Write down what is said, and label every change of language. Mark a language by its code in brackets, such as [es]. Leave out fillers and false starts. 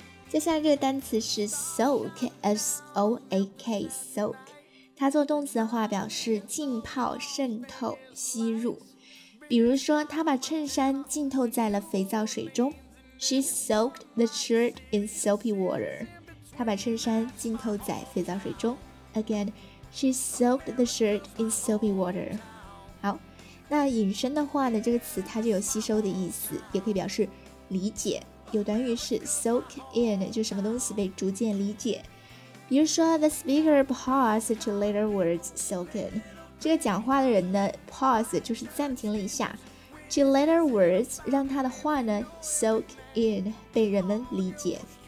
[zh] 接下来这个单词是 soak， s o a k， soak， 它做动词的话表示浸泡、渗透、吸入。比如说，他把衬衫浸透在了肥皂水中。 [en] She soaked the shirt in soapy water. [zh] 她把衬衫浸透在肥皂水中。 [en] Again, she soaked the shirt in soapy water. [zh] 好，那隐身的话呢，这个词它就有吸收的意思，也可以表示理解。有短语是 soak in， 就什么东西被逐渐理解。比如说 [en] ，the speaker paused to let her words soak in。 [zh] 这个讲话的人呢 ，pause 就是暂停了一下 ， [en] to let her words [zh] 让他的话呢 soak in， 被人们理解。